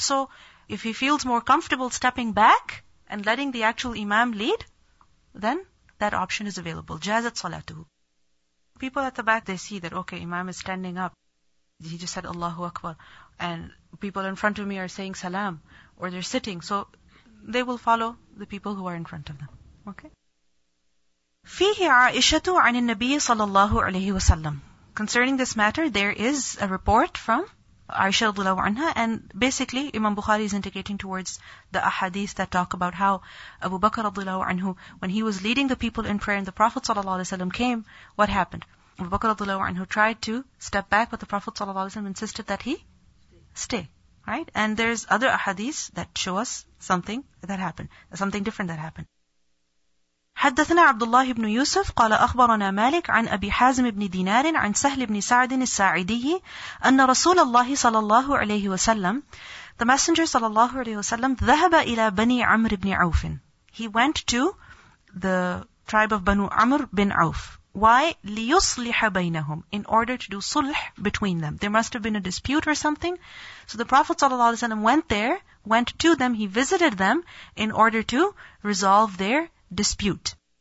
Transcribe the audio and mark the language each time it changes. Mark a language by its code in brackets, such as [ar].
[en] So if he feels more comfortable stepping back and letting the actual imam lead, then that option is available. Jazat salatuhu. People at the back, they see that, okay, imam is standing up. He just said Allahu Akbar. And people in front of me are saying salam. Or they're sitting. So they will follow the people who are in front of them. Okay? [ar] فيه عائشة عن النبي صلى الله عليه وسلم. [en] Concerning this matter, there is a report from Aisha radhiyallahu anha, and basically Imam Bukhari is indicating towards the ahadith that talk about how Abu Bakr radhiyallahu anhu, when he was leading the people in prayer and the Prophet sallallahu alaihi wasallam came, what happened? Abu Bakr radhiyallahu anhu tried to step back, but the Prophet sallallahu alaihi wasallam insisted that he stay. Right? And there's other ahadith that show us something that happened, something different that happened. [ar] حدثنا عبد الله بن يوسف قال أخبرنا مالك عن أبي حازم بن دينار عن سهل بن سعد الساعدي أن رسول الله صلى الله عليه وسلم the messenger صلى الله عليه وسلم ذهب إلى بني عمر بن عوف. [en] He went to the tribe of Banu Amr bin Auf. Why? ليصلح بينهم. In order to do صلح between them. There must have been a dispute or something. So the Prophet صلى الله عليه وسلم went to them, he visited them in order to resolve their dispute.